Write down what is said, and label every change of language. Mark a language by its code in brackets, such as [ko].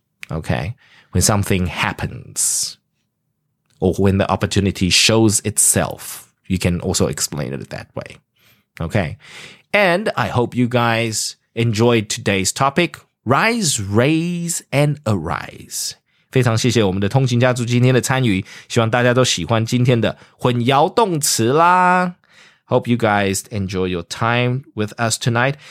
[en] Okay, when something happens, or when the opportunity shows itself, you can also explain it that way. Okay. And I hope you guys enjoyed today's topic, Rise, Raise, and Arise. [zh] 非常谢谢我们的通勤家族今天的参与，希望大家都喜欢今天的混淆动词啦。 [en] Hope you guys enjoy your time with us tonight.